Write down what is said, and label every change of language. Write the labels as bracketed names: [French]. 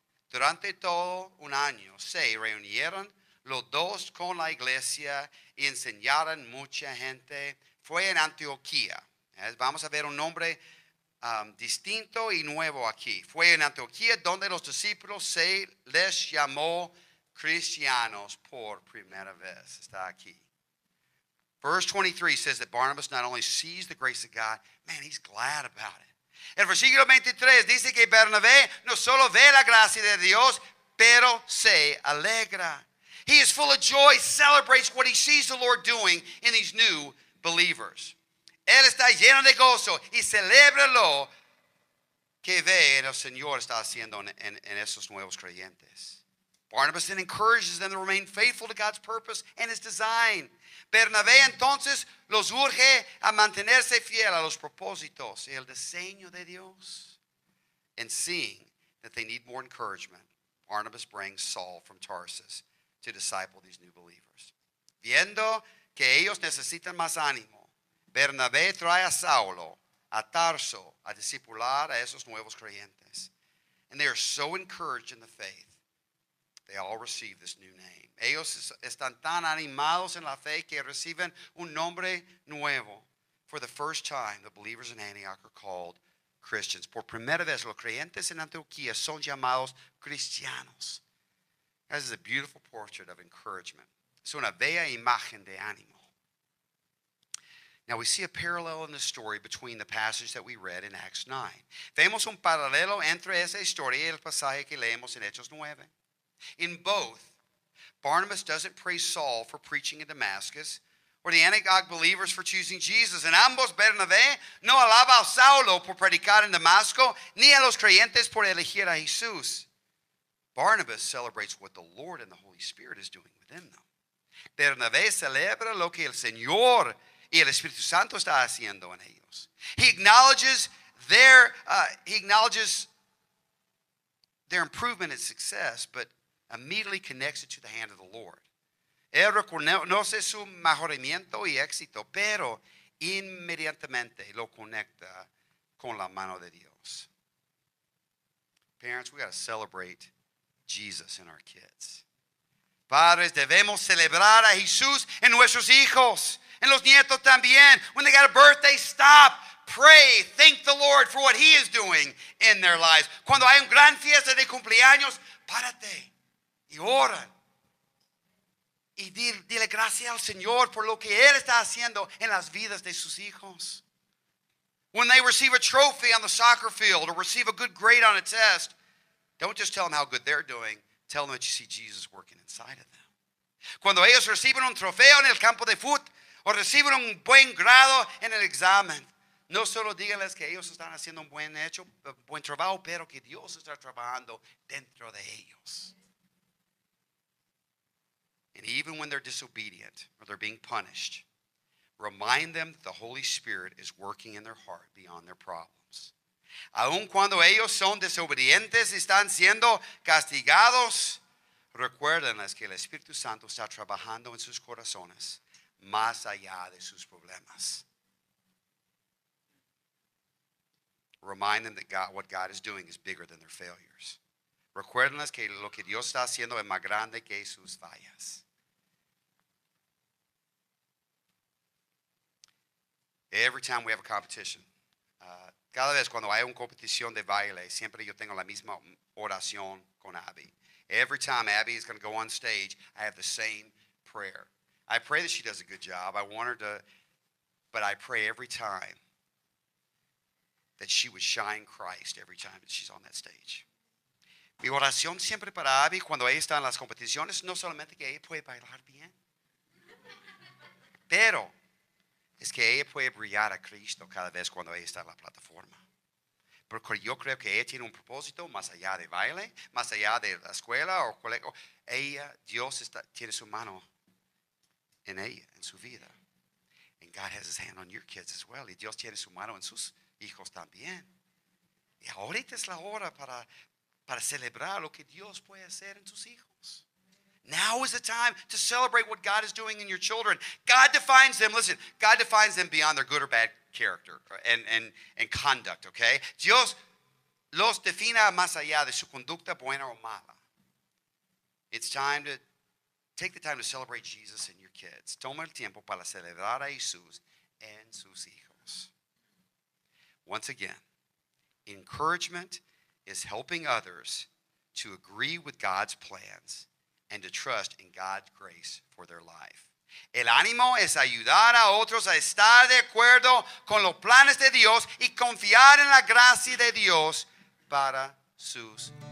[Spanish] Durante todo un año se reunieron los dos con la iglesia y enseñaron mucha gente. Fue en Antioquía. Vamos a ver un nombre distinto y nuevo aquí. Fue en Antioquía donde los discípulos se les llamó cristianos por primera vez. Está aquí. [English] Verse 23 says that Barnabas not only sees the grace of God, man, he's glad about it. [Spanish] El versículo 23 dice que Bernabé no solo ve la gracia de Dios, pero se alegra. [English] He is full of joy, celebrates what he sees the Lord doing in these new believers. [Spanish] Él está lleno de gozo y celebra lo que ve en el Señor está haciendo en esos nuevos creyentes. [English] Barnabas then encourages them to remain faithful to God's purpose and his design. [Spanish] Bernabé entonces los urge a mantenerse fiel a los propósitos y el diseño de Dios. [English] And seeing that they need more encouragement, Barnabas brings Saul from Tarsus to disciple these new believers. [Spanish] Viendo que ellos necesitan más ánimo, Bernabé trae a Saulo a Tarso a discipular a esos nuevos creyentes. [English] And they are so encouraged in the faith, they all receive this new name. [Spanish] Ellos están tan animados en la fe que reciben un nombre nuevo. [English] For the first time, the believers in Antioch are called Christians. [Spanish] Por primera vez, los creyentes en Antioquía son llamados cristianos. [English] This is a beautiful portrait of encouragement. [Spanish] Es una bella imagen de ánimo. [English] Now we see a parallel in the story between the passage that we read in Acts 9. [Spanish] Vemos un paralelo entre esa historia y el pasaje que leemos en Hechos 9. [English] In both, Barnabas doesn't praise Saul for preaching in Damascus, or the Antioch believers for choosing Jesus. [Spanish] En ambos, Bernabé no alaba a Saulo por predicar en Damasco, ni a los creyentes por elegir a Jesús. [English] Barnabas celebrates what the Lord and the Holy Spirit is doing within them. [Spanish] Bernabé celebra lo que el Señor y el Espíritu Santo está haciendo en ellos. [English] He acknowledges their improvement and success, but immediately connects it to the hand of the Lord. [Spanish] Él reconoce su mejoramiento y éxito, pero inmediatamente lo conecta con la mano de Dios. [English] Parents, we got to celebrate Jesus in our kids. [Spanish] Padres, debemos celebrar a Jesús en nuestros hijos, en los nietos también. [English] When they got a birthday, stop. Pray, thank the Lord for what he is doing in their lives. [Spanish] Cuando hay una gran fiesta de cumpleaños, párate y ora. Y dile gracias al Señor por lo que él está haciendo en las vidas de sus hijos. [English] When they receive a trophy on the soccer field or receive a good grade on a test, don't just tell them how good they're doing. Tell them that you see Jesus working inside of them. [Spanish] Cuando ellos reciben un trofeo en el campo de fútbol o reciben un buen grado en el examen, no solo díganles que ellos están haciendo un buen hecho, buen trabajo, pero que Dios está trabajando dentro de ellos. [English] And even when they're disobedient or they're being punished, remind them that the Holy Spirit is working in their heart beyond their problems. [Spanish] Aun cuando ellos son desobedientes y están siendo castigados, recuérdenles que el Espíritu Santo está trabajando en sus corazones más allá de sus problemas. [English] Remind them that what God is doing is bigger than their failures. [Spanish] Recuérdenles que lo que Dios está haciendo es más grande que sus fallas. [English] Every time we have a competition, [Spanish] cada vez cuando hay una competición de baile, siempre yo tengo la misma oración con Abby. [English] Every time Abby is going to go on stage, I have the same prayer. I pray that she does a good job. I want her to, but I pray every time that she would shine Christ every time that she's on that stage. [Spanish] Mi oración siempre para Abby cuando ella está en las competiciones, no solamente que ella puede bailar bien, pero es que ella puede brillar a Cristo cada vez cuando ella está en la plataforma. Porque yo creo que ella tiene un propósito más allá de baile, más allá de la escuela o colegio. Ella, Dios está, tiene su mano en ella, en su vida. [English] And God has his hand on your kids as well. [Spanish] Y Dios tiene su mano en sus hijos también. Y ahorita es la hora para celebrar lo que Dios puede hacer en sus hijos. [English] Now is the time to celebrate what God is doing in your children. God defines them, listen, God defines them beyond their good or bad character and conduct, okay? [Spanish] Dios los define más allá de su conducta buena o mala. [English] It's time to take the time to celebrate Jesus in your kids. [Spanish] Toma el tiempo para celebrar a Jesús en sus hijos. [English] Once again, encouragement is helping others to agree with God's plans and to trust in God's grace for their life. [Spanish] El ánimo es ayudar a otros a estar de acuerdo con los planes de Dios y confiar en la gracia de Dios para sus